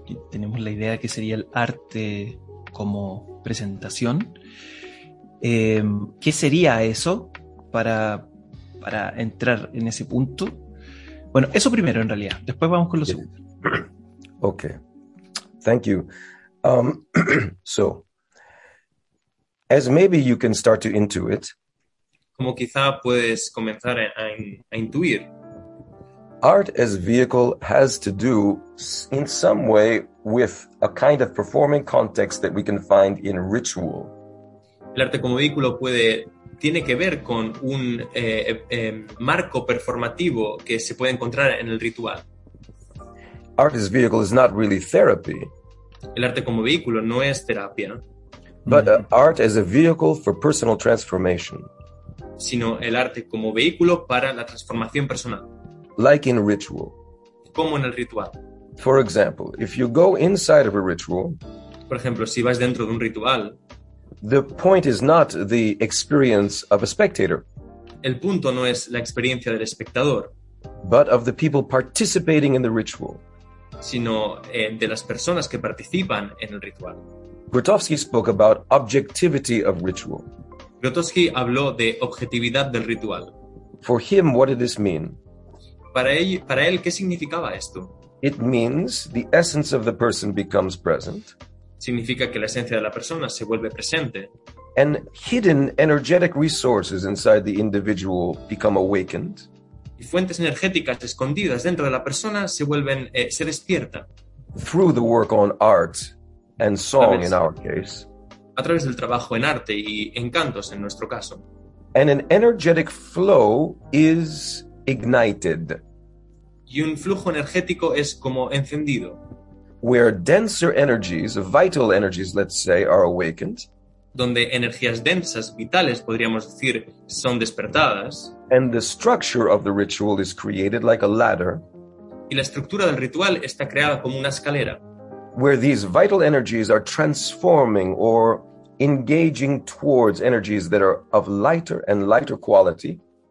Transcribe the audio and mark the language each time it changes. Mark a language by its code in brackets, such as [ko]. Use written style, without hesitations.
[es] Tenemos la idea de que sería el arte como presentación. ¿Qué sería eso para entrar en ese punto? Bueno, eso primero en realidad. Después vamos con lo segundo. [en] Okay. Thank you. So, as maybe you can start to intuit. [es] Como quizá puedes comenzar a intuir. [en] Art as vehicle has to do in some way with a kind of performing context that we can find in ritual. [es] El arte como vehículo tiene que ver con un marco performativo que se puede encontrar en el ritual. [en] Art as vehicle is not really therapy. [es] El arte como vehículo no es terapia. [en] But art as a vehicle for personal transformation. [es] Sino el arte como vehículo para la transformación personal. [en] Like in ritual. [es] Como en el ritual. [en] For example, if you go inside of a ritual. [es] Por ejemplo, si vas dentro de un ritual. [en] The point is not the experience of a spectator. [es] El punto no es la experiencia del espectador. [en] But of the people participating in the ritual. [es] Sino de las personas que participan en el ritual. [en] Grotowski spoke about objectivity of ritual. [es] Grotowski habló de objetividad del ritual. [en] For him, what did this mean? [es] Para él, ¿qué significaba esto? [en] It means the essence of the person becomes present. [es] Significa que la esencia de la persona se vuelve presente. [en] And hidden energetic resources inside the individual become awakened. [es] Y fuentes energéticas escondidas dentro de la persona se vuelven se despiertan. [en] Through the work on art and song in our case. [es] A través del trabajo en arte y en cantos en nuestro caso. [en] And an energetic flow is ignited. [es] Y un flujo energético es como encendido. [en] Where denser energies, vital energies, let's say, are awakened. [es] Donde energías densas, vitales, podríamos decir, son despertadas. [en] And the structure of the ritual is created like a ladder. [es] Y la estructura del ritual está creada como una escalera. [en] Where these vital energies are transforming or engaging towards energies that are of lighter and lighter quality.